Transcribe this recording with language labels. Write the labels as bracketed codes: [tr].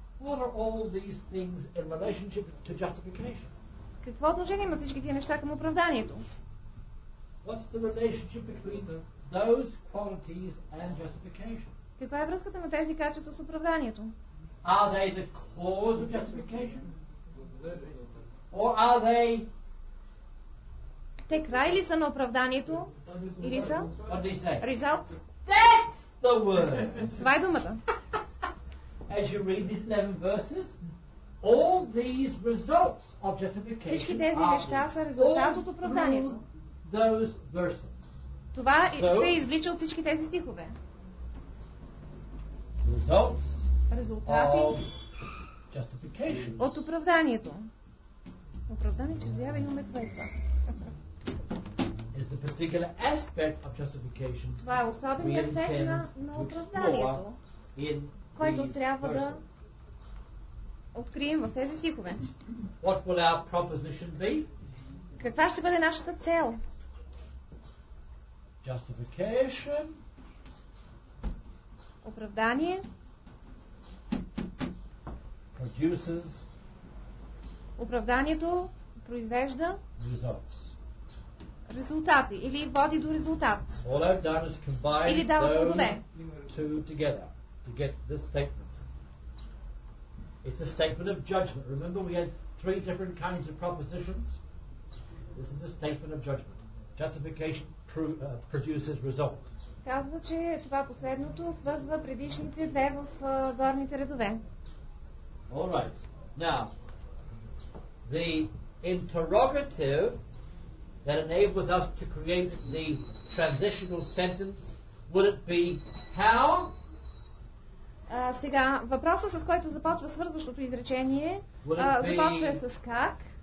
[en] What are all these things in relationship to justification? [bg] Какво отношение има всички тия неща към оправданието? [en] What's the relationship between the those qualities and justification? [bg] Каква е връзката на тези качества с оправданието? [en] Are they the cause of justification? Or are they... [bg] Те край ли са на оправданието? Или са? [en] What do they say? Results? That's the word! [bg] Това е думата. [en] As you read these 11 verses, all these results of justification... [bg] Всички тези неща са резултат от оправданието. [en] Those verses. [bg] Това се извлича от всички тези стихове. [en] Results. [bg] Резултати. [en] Justification. [bg] От оправданието. Оправдание чрез вяра, имаме това и това. [en] Is the particular aspect of justification. [bg] Това е особен аспект на оправданието, който трябва да открием в тези стихове. [en] What will our proposition be? [bg] Каква ще бъде нашата цел? [en] Justification. [bg] Оправдание. [en] Produces. [bg] Оправданието произвежда. [en] Results. [bg] Резултати или води до резултат. [en] All I've done is combine [bg] или дава плодове. [en] Two together to get this statement. It's a statement of judgment. Remember we had three different kinds of propositions. This is a statement of judgment. Justification. Produces results. [bg] Казва, че това последното свързва предишните две в горните редове. [en] All right. Now, the interrogative that enables us to create the transitional sentence, would it be how? [bg] Сега, въпроса, с който започва свързващото изречение, започва с как?